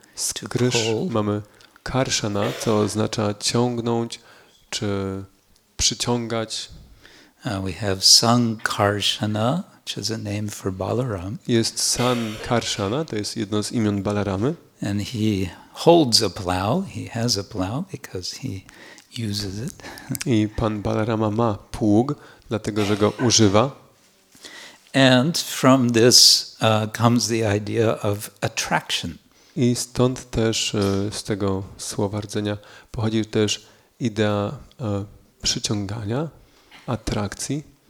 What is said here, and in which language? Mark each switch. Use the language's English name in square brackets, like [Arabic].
[Polish] Z Krish mamy Karshana, co oznacza ciągnąć czy przyciągać. [English] We have Sankarshana, which is a name for Balaram. [Polish] Jest Sankarshana, to jest jedno z imion Balaramy. [English] And he holds a plow, he has a plow because he uses it. [Polish] I pan Balarama ma pług, dlatego że go używa. [English] And from this comes the idea of attraction. [Polish] I stąd też z tego słowa rdzenia pochodzi też idea przyciągania, atrakcji.